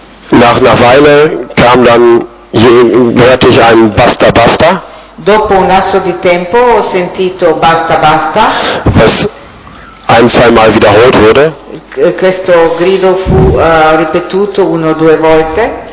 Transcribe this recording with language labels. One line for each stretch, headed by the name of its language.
German: Nach einer Weile kam dann hörte ich ein
Italian: Basta Basta. Dopo un lasso di tempo ho sentito Basta Basta.
German: Was ein, zweimal wiederholt wurde.
Italian: Questo grido fu ripetuto uno due volte.